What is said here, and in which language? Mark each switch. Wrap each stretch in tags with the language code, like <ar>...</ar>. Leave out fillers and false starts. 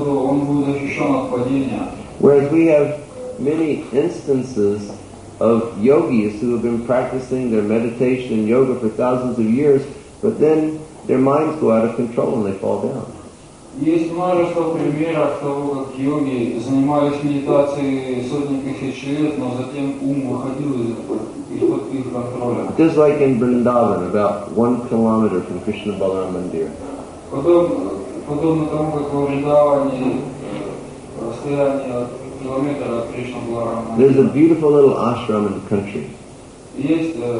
<en>Whereas we have many instances of yogis who have been practicing their meditation and yoga for thousands of years, but then their minds go out of control and they fall down.</en> <ru>Есть множество примеров того, как йоги занимались медитацией сотни тысяч лет, но затем ум выходил из-под их контроля.</ru> <en>Just like in Vrindavan, about 1 kilometer from Krishna Balaram Mandir.</en> <ru>Подобно тому, как во Вриндаване, расстояние от километра от Кришна Баларама Мандира.</ru> <en>There's a beautiful little ashram in the country.</en> <ru>Есть</ru>